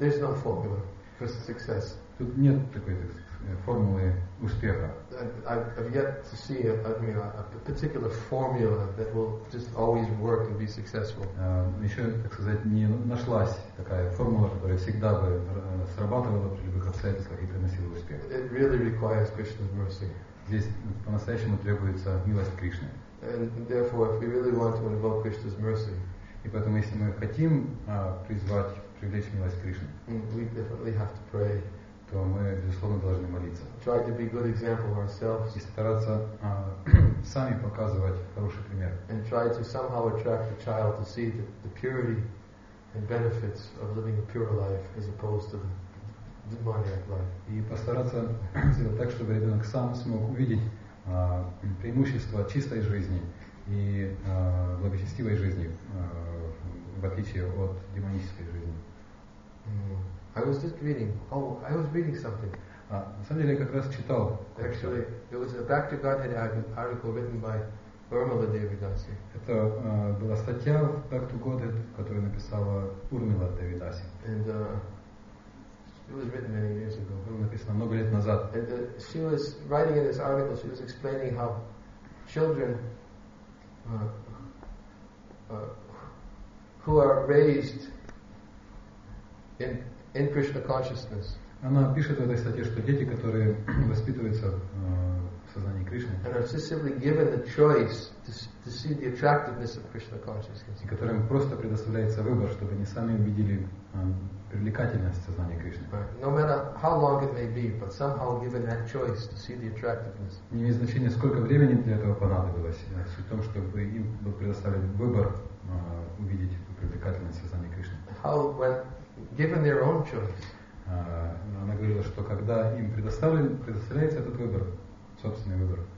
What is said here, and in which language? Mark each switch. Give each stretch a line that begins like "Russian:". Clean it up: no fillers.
English: There's no formula for success.
Russian: Тут нет такой формулы успеха.
English: I've yet to see a particular formula that will just always work and be successful.
Russian: Еще, так сказать, не нашлась такая формула, которая всегда бы срабатывала при любых обстоятельствах и приносила успех.
English: It really requires Krishna's mercy.
Russian: Здесь по-настоящему требуется милость Кришны.
English: And therefore, if we really want to invoke Krishna's mercy,
Russian: и поэтому, если мы хотим призвать, привлечь милость Кришны,
English: we definitely have to pray.
Russian: То мы, безусловно, должны молиться.
English: Try to be good example ourselves.
Russian: И стараться сами показывать хороший пример.
English: And try to somehow attract the child to see the purity and benefits of living a pure life as opposed to the demoniac life.
Russian: И постараться сделать так, чтобы ребенок сам смог увидеть преимущества чистой жизни и благочестивой жизни в отличие от демонической жизни.
English: I was reading something.
Russian: На самом деле я как раз читал.
English: Actually, it was a Back to Godhead article written by Urmila Devadasi.
Russian: Это была статья в Back to Godhead, которую написала Урмила Девадаси.
English: And it was written many years ago.
Russian: Было написано много лет назад.
English: And she was writing in this article. She was explaining how children who are raised in Krishna consciousness.
Russian: Она пишет в этой статье, что дети, которые воспитываются в сознании Кришны,
English: and are simply given the choice to see the attractiveness of Krishna consciousness.
Russian: И которым просто предоставляется выбор, чтобы они сами увидели привлекательность сознания Кришны.
English: No matter how long it may be, but somehow given that choice to see the attractiveness.
Russian: Не имеет значения, сколько времени для этого понадобилось. Суть в том, чтобы им был предоставлен выбор увидеть привлекательность сознания Кришны.
English: Given their own choice.
Russian: Она говорила, что когда им предоставляется этот выбор, собственный выбор,